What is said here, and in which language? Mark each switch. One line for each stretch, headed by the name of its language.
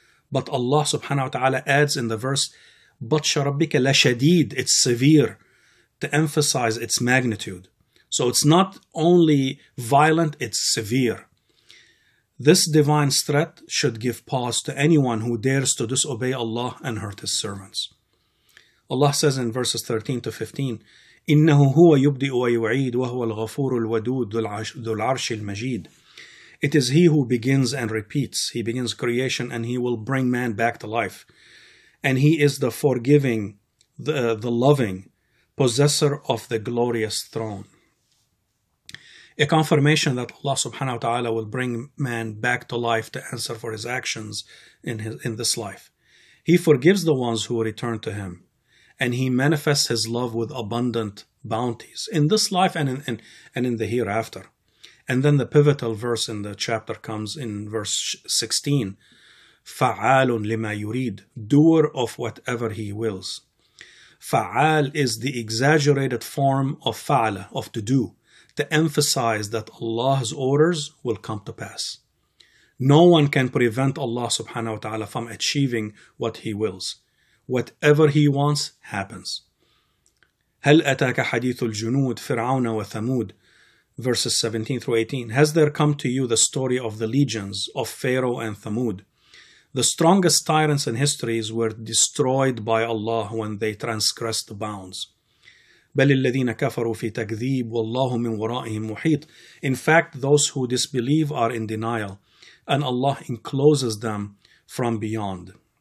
English: But Allah subhanahu wa ta'ala adds in the verse,
Arabic: بَطْشَ رَبِّكَ لَشَدِيدٌ,
English: it's severe, to emphasize its magnitude. So it's not only violent, it's severe. This divine threat should give pause to anyone who dares to disobey Allah and hurt His servants. Allah says in verses 13 to 15,
Arabic: إِنَّهُ هُوَ يُبْدِئُ وَيُعِيدُ وَهُوَ الْغَفُورُ الْوَدُودُ ذُو الْعَرْشِ الْمَجِيدُ.
English: It is He who begins and repeats. He begins creation and He will bring man back to life. And He is the forgiving, the loving, possessor of the glorious throne. a confirmation that Allah subhanahu wa ta'ala will bring man back to life to answer for his actions in this life. He forgives the ones who return to him, and he manifests his love with abundant bounties in this life and in the hereafter. And then the pivotal verse in the chapter comes in verse 16.
Arabic: فَعَالٌ لِمَا يُرِيدٌ,
English: doer of whatever he wills. فَعَال is the exaggerated form of فَعَلَ, of to do, to emphasize that Allah's orders will come to pass. No one can prevent Allah subhanahu wa ta'ala from achieving what he wills. Whatever he wants happens.
Arabic: هَلْ أَتَاكَ حَدِيثُ الْجُنُودِ فِرْعَوْنَ وَثَمُودِ,
English: verses 17 through 18. Has there come to you the story of the legions of Pharaoh and Thamud? The strongest tyrants in histories were destroyed by Allah when they transgressed the bounds.
Arabic: بَلِ الَّذِينَ كَفَرُوا فِي تَكْذِيبُ وَاللَّهُ مِنْ وَرَائِهِمْ مُحِيطٌ.
English: In fact, those who disbelieve are in denial, and Allah encloses them from beyond.